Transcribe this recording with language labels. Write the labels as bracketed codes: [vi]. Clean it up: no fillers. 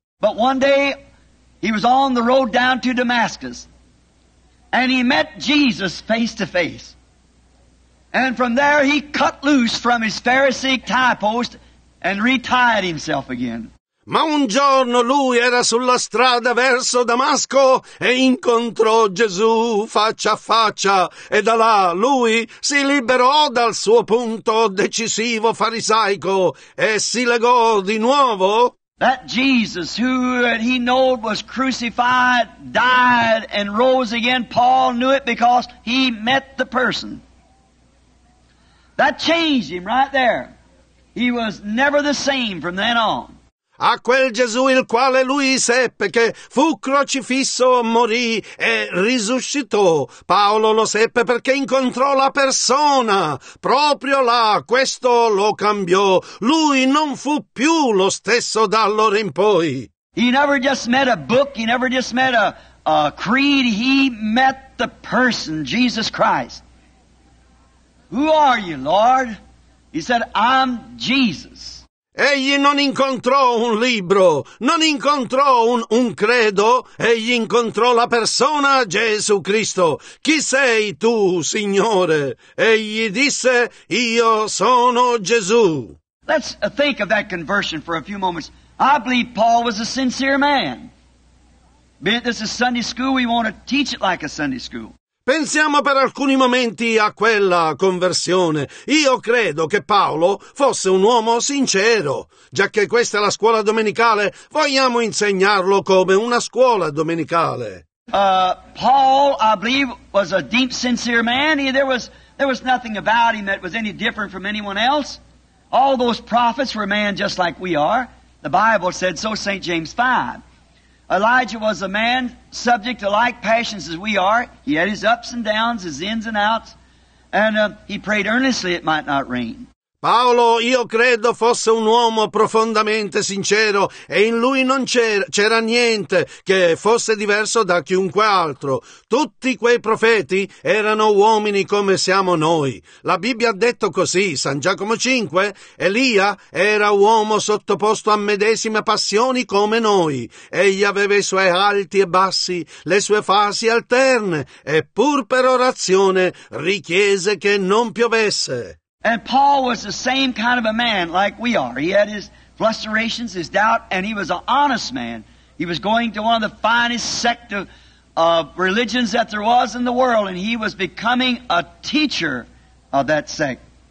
[en] But one day he was on the road down to Damascus and he met Jesus face to face. And from there he cut loose from his Pharisaic tie post and retied himself again. [it] Ma un giorno lui era sulla strada verso Damasco e incontrò Gesù faccia a faccia, e da là lui si liberò dal suo punto decisivo farisaico e si legò di nuovo. [en] That Jesus who he knew was crucified, died and rose again, Paul knew it because he met the person. That changed him right there. He was never the same from then on. [it] A quel Gesù il quale lui seppe che fu crocifisso, morì e risuscitò. Paolo lo seppe perché incontrò la persona. Proprio là, questo lo cambiò. Lui non fu più lo stesso da allora in poi. [en] He never just met a book, he never just met a creed. He met the person, Jesus Christ. "Who are you, Lord?" He said, "I'm Jesus." [it] Egli non incontrò un libro, non incontrò un credo, egli incontrò la persona Gesù Cristo. "Chi sei tu, Signore?" Egli disse, "Io sono Gesù." [en] Let's think of that conversion for a few moments. I believe Paul was a sincere man. This is Sunday school, we want to teach it like a Sunday school. [it] Pensiamo per alcuni momenti a quella conversione. Io credo che Paolo fosse un uomo sincero. Già che questa è la scuola domenicale, vogliamo insegnarlo come una scuola domenicale. [en] Paul, I believe, was a deep, sincere man. There was nothing about him that was any different from anyone else. All those prophets were men just like we are. The Bible said so, St. James 5. Elijah was a man subject to like passions as we are. He had his ups and downs, his ins and outs, and he prayed earnestly it might not rain. [it] Paolo, io credo fosse un uomo profondamente sincero e in lui non c'era niente che fosse diverso da chiunque altro. Tutti quei profeti erano uomini come siamo noi. La Bibbia ha detto così, San Giacomo 5, Elia era uomo sottoposto a medesime passioni come noi. Egli aveva i suoi alti e bassi, le sue fasi alterne, e pur per orazione richiese che non piovesse. [en] And Paul was the same kind of a man like we are. He had his frustrations, his doubt, and he was an honest man. He was going to one of the finest sect of religions that there was in the world, and he was becoming a teacher of that sect.